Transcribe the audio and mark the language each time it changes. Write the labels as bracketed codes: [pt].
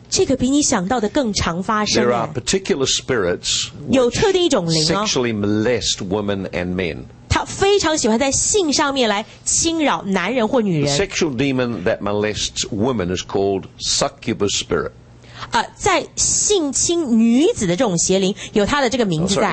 [zh] 这个比你想到的更常发生。 [en] There are particular spirits. [zh] 有特定一种灵哦。 [en] Sexually molest women and men. [zh] 他非常喜欢在性上面来侵扰男人或女人。 [en] The sexual demon that molests women is called succubus spirit. [zh] 在性侵女子的这种邪灵有他的这个名字在。